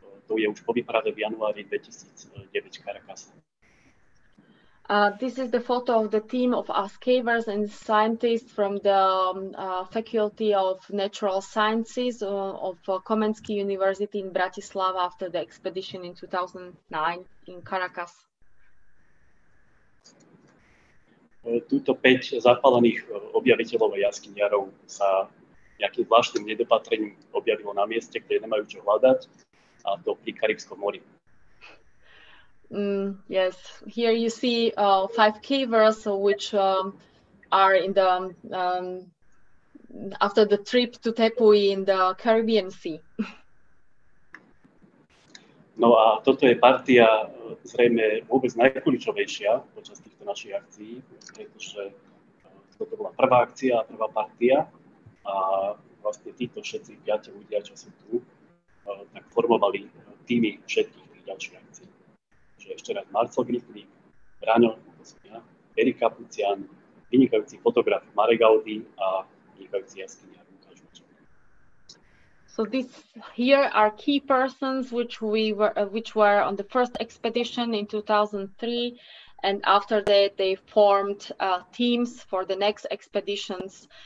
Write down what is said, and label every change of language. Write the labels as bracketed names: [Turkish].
[Slovak] To je už po výprave v januári 2009 Karakasa. [English] This is the photo of the team of us cavers and scientists from the Faculty of Natural Sciences of Komenský University in Bratislava after the expedition in 2009 in Caracas. [Slovak] Tuto 5 zapálených objaviteľov a jaskyniarov sa nejakým zvláštnym nedopatrením objavilo na mieste, kde nemajú čo hľadať, a to pri Karibskom mori. [English] Yes, here you see 5 cavers which are in the after the trip to Tepui in the Caribbean Sea. [Slovak] No a toto je partia zrejme vôbec najkľúčovejšia počas týchto našich akcií, pretože toto bola prvá akcia a prvá partia a vlastne títo všetci 5 ľudia, čo sú tu, tak formovali týmy všetkých tých ďalších akcií. Ešte raz Marcel Griflík, Braňo, Peri Kapucian, vynikajúci fotograf Marek Audi a vynikajúci jaskyňa. [English] So this here are key persons which were on the first expedition in 2003, and after that they formed teams for the next expeditions.